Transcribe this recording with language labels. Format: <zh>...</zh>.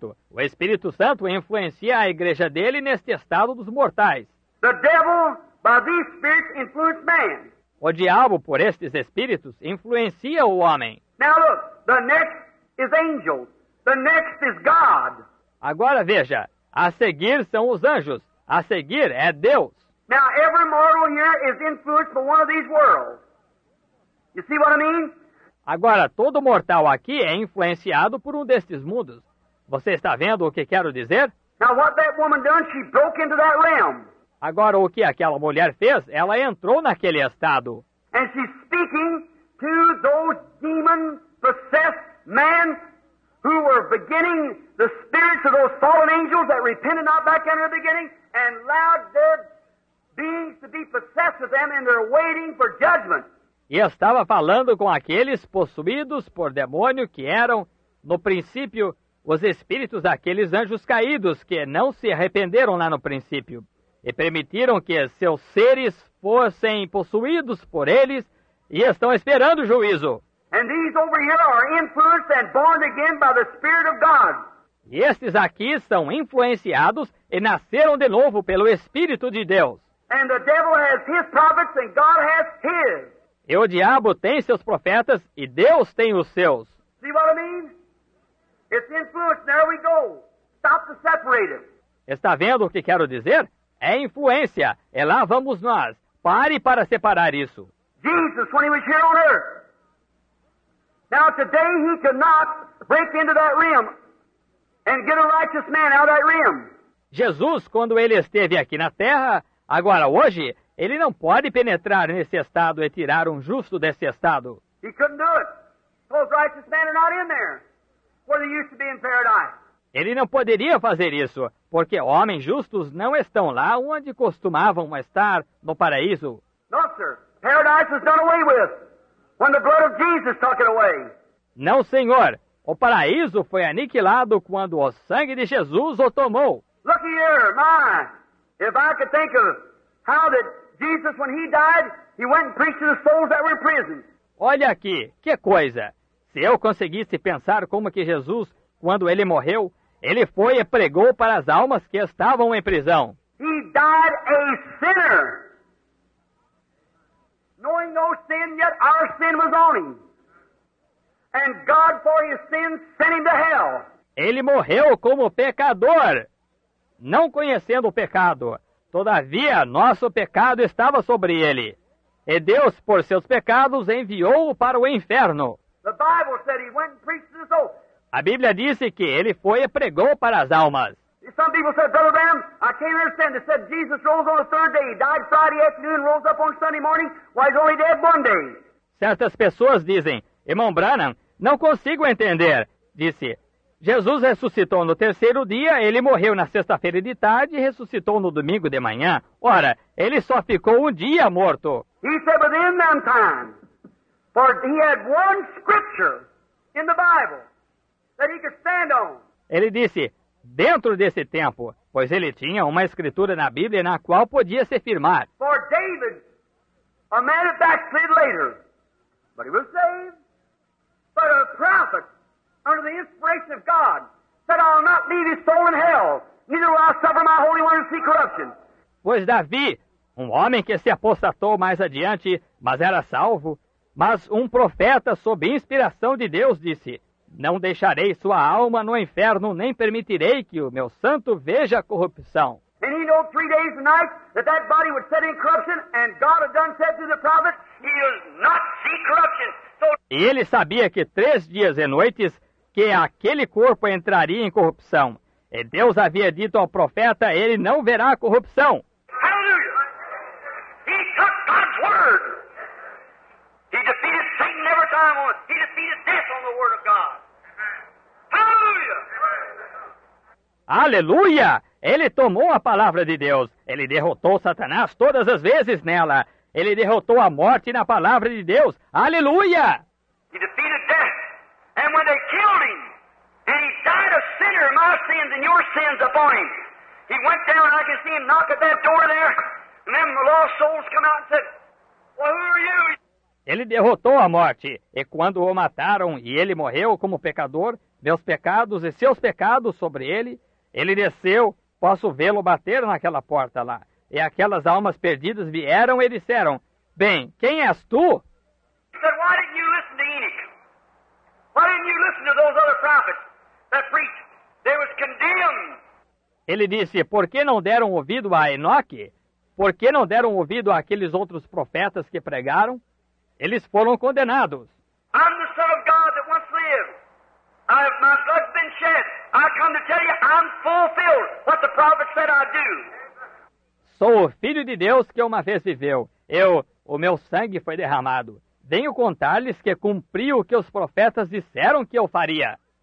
<pt>O Espírito Santo influencia a igreja dele neste estado dos mortais.</pt> <en>The devil, by these spirits, influences man.</en> <pt>O diabo, por estes espíritos, influencia o homem.</pt> <en>Now look, the next is angels. The next is God.</en> <pt>Agora veja, a seguir são os anjos. A seguir é Deus.</pt> <en>Now every mortal here is influenced by one of these worlds. You see what I mean?</en> <pt>Agora, todo mortal aqui é influenciado por um destes mundos. Você está vendo o que quero dizer?</pt> <en>Now, what that woman done, she broke into that realm.</en> <pt>Agora, o que aquela mulher fez, ela entrou naquele estado.</pt> <en>And she's speaking to those demon-possessed men who were beginning the spirits of those fallen angels that repented not back in the beginning and allowed their beings to be possessed with them, and they're waiting for judgment.</en> <pt>E estava falando com aqueles possuídos por demônio que eram, no princípio, os espíritos daqueles anjos caídos que não se arrependeram lá no princípio e permitiram que seus seres fossem possuídos por eles e estão esperando o juízo.</pt> <en>And these over here are influenced and born again by the Spirit of God.</en> <pt>E estes aqui são influenciados e nasceram de novo pelo Espírito de Deus.</pt> <en>And the devil has his prophets and God has his.</en> <pt>E o diabo tem seus profetas e Deus tem os seus.</pt> <en>See what I mean? It's influence. There we go. Stop to separate it.</en> <pt>Está vendo o que quero dizer? É influência. É lá vamos nós. Pare para separar isso.</pt> <en>Jesus, when he was here on earth. Now today he cannot break into that realm and get a righteous man out of that realm.</en> <pt>Jesus, quando ele esteve aqui na terra, agora hoje, ele não pode penetrar nesse estado e tirar um justo desse estado.</pt> <en>He couldn't do it. Those righteous men are not in there where they used to be in paradise.</en> <pt>Ele não poderia fazer isso, porque homens justos não estão lá onde costumavam estar no paraíso.</pt> <en>No, sir. Paradise was done away with when the blood of Jesus took it away.</en> <pt>Não, senhor. O paraíso foi aniquilado quando o sangue de Jesus o tomou.</pt> <en>Look here, my. If I could think of how that Jesus, when he died, he went and preached to the souls that were in prison.</en> <pt>Olha aqui, que coisa. Se eu conseguisse pensar como que Jesus, quando ele morreu, ele foi e pregou para as almas que estavam em prisão.</pt> <en>He died a sinner. Knowing no sin, yet our sin was on him. And God, for his sin, sent him to hell.</en> <pt>Ele morreu como pecador, não conhecendo o pecado. Todavia, nosso pecado estava sobre ele. E Deus, por seus pecados, enviou-o para o inferno.</pt> <en>The Bible said he went and preached to the soul.</en> <pt>A Bíblia disse que ele foi e pregou para as almas.</pt> <en>Some people said, Brother Bram, I can't understand. They said Jesus rose on the third day. He died Friday afternoon, rose up on Sunday morning. Why, he's only dead one day.</en> <pt>Certas pessoas dizem, Irmão Branham, não consigo entender. Disse, Jesus ressuscitou no terceiro dia, ele morreu na sexta-feira de tarde e ressuscitou no domingo de manhã. Ora, ele só ficou um dia morto.</pt> <en>He said, but in them times, for he had one scripture in the Bible that he could stand on.</en> <pt>Ele disse, dentro desse tempo, pois ele tinha uma escritura na Bíblia na qual podia se firmar.</pt> <en>For David, a man of backslid later, but he was saved. But a prophet, under the inspiration of God, said, I'll not leave his soul in hell, neither will I suffer my holy one to see corruption.</en> <pt>Pois Davi, um homem que se apostatou mais adiante, mas era salvo, mas um profeta sob inspiração de Deus disse, não deixarei sua alma no inferno, nem permitirei que o meu santo veja a corrupção.</pt> <en>And he knew 3 days and nights that that body would set in corruption, and God had done said to the prophet, he will not see corruption.</en> <pt>E ele sabia que 3 dias e noites que aquele corpo entraria em corrupção. E Deus havia dito ao profeta, ele não verá a corrupção.</pt> <en>Hallelujah! He took God's word. He defeated Satan every time on it. He defeated death on the word of God. Hallelujah!</en> <pt>Aleluia! Ele tomou a palavra de Deus. Ele derrotou Satanás todas as vezes nela. Ele derrotou a morte na palavra de Deus. Aleluia!</pt> <en>He defeated death. And when they killed him, and he died a sinner, my sins and your sins upon him. He went down, and I can see him knock at that door there, and then the lost souls come out and said, well, who are you?</en> <pt>Ele derrotou a morte, e quando o mataram e ele morreu como pecador, meus pecados e seus pecados sobre ele, ele desceu, posso vê-lo bater naquela porta lá. E aquelas almas perdidas vieram e disseram, bem, quem és tu?</pt> <en>He said, why didn't you listen to Enoch? Why didn't you listen to those other prophets that preached? They was condemned.</en> <pt>Ele disse, por que não deram ouvido a Enoque? Por que não deram ouvido àqueles outros profetas que pregaram? Eles foram condenados.</pt> <en>I'm the son of God that once lived. My blood's been shed. I come to tell you, I'm fulfilled what the prophet said I'd do.</en> <pt>Sou o filho de Deus que uma vez viveu. Eu o meu sangue foi derramado. Venho contar-lhes que cumpri o que os profetas disseram que eu faria.</pt>